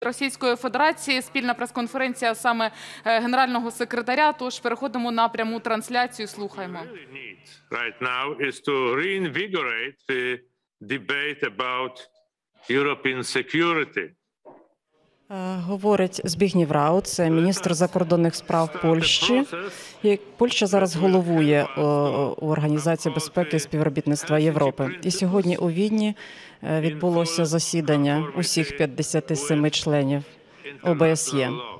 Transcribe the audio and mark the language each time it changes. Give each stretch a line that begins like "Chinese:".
Ukrainian: Російської Федерації, спільна прес-конференція саме генерального секретаря, тож переходимо на пряму трансляцію, слухаємо.
English: Right now is to reinvigorate the debate about European security.
Ukrainian: Говорить Збігнєв Рау, це міністр закордонних справ Польщі. Польща зараз головує у Організації безпеки і співробітництва Європи. І сьогодні у Відні відбулося засідання усіх 57 членів ОБСЄ.